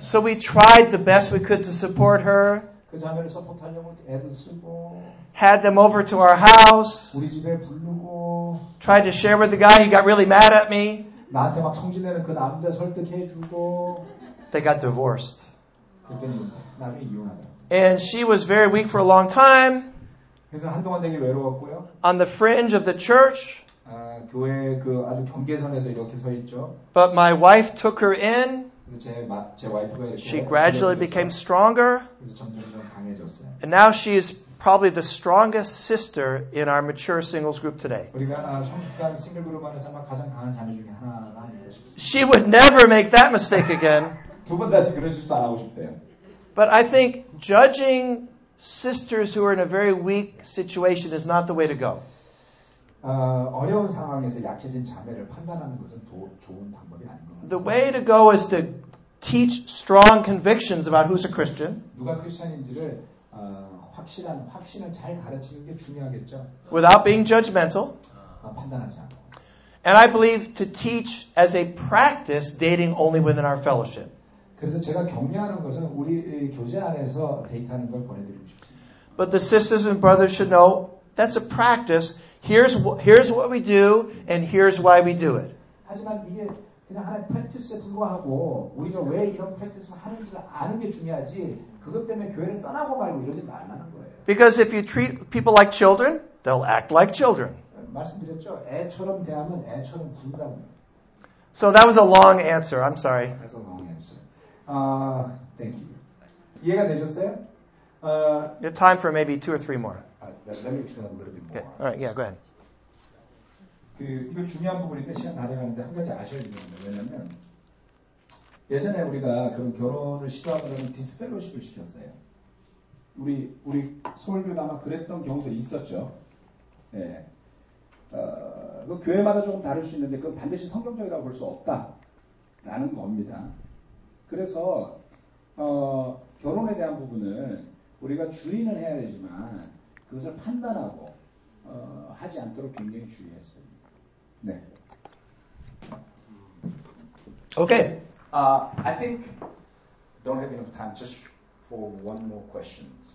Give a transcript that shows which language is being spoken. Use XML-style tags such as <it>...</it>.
<en>So we tried the best we could to support her.</en> <ko>그 자매를 서포트하려고 애도 쓰고.</ko> <en>Had them over to our house.</en> <ko>우리 집에 부르고.</ko> <en>Tried to share with the guy. He got really mad at me.</en> <ko>나한테 막 성질내는 그 남자 설득해주고</ko> <en>They got divorced.</en> <ko>그랬더니 나중에 이혼하더라고요.</ko> <en>And she was very weak for a long time.</en> <ko>그래서 한동안 되게 외로웠고요.</ko> <en>On the fringe of the church.</en> <ko>교회 그 아주 경계선에서 이렇게 서 있죠.</ko> <en>But my wife took her in.</en> <ko>제 와이프가</ko> <en>She gradually became stronger.</en> <ko>그래서 점점 강해졌어요.</ko> <en>And now she is probably the strongest sister in our mature singles group today.</en> <ko>우리가 성숙한 싱글 그룹 안에서 아마 가장 강한 자매 중에 하나가 아닐까 싶습니다.</ko> <en>She would never make that mistake again.</en> <ko>두 번 다시 그런 실수 안 하고 싶대요.</ko> <en>But I think judging sisters who are in a very weak situation is not the way to go.</en> <ko>어려운 상황에서 약해진 자매를 판단하는 것은 좋은 방법이 아닌 것 같아요.</ko> <en>The way to go is to teach strong convictions about who's a Christian.</en> <ko>누가 크리스천인지를 확신을 잘 가르치는 게 중요하겠죠.</ko> <en>Without being judgmental.</en> <ko>판단하지 않고.</ko> <en>And I believe to teach as a practice dating only within our fellowship.</en> <ko>그래서 제가 격려하는 것은 우리 교제 안에서 데이트하는 걸 권해드리고 싶습니다.</ko> <en>But the sisters and brothers should know that's a practice. Here's what we do, and here's why we do it.</en> <ko>하지만 이게 그냥 하나의 practice에 불과하고 우리가 왜 이런 practice를 하는지를 아는 게 중요하지. 그것 때문에 교회를 떠나고 말고 이러지 말라는 거예요.</ko> <en>Because if you treat people like children, they'll act like children.</en> <ko>말씀드렸죠. 애처럼 대하면 애처럼 군다고.</ko> <en>So that was a long answer. I'm sorry. That's a long answer. Thank you.</en> <ko>이해가 되셨어요?</ko> <en>You have time for maybe two or three more. Let me explain a little bit more. Okay. All right, yeah, go ahead.</en> <ko>이거 중요한 부분인데 시간 다 돼가는데 한 가지 아셔야 됩니다. 왜냐하면 예전에 우리가 그런 결혼을 시도하면 디스펠로시를 시켰어요. 우리 서울교도 아마 그랬던 경우도 있었죠. 예. 그 교회마다 조금 다를 수 있는데 그건 반드시 성경적이라고 볼 수 없다라는 겁니다. 그래서 결혼에 대한 부분을 우리가 주의는 해야 되지만 그것을 판단하고 하지 않도록 굉장히 주의했어요. 네.</ko> <en>Okay. I think don't have enough time just for one more question.</en>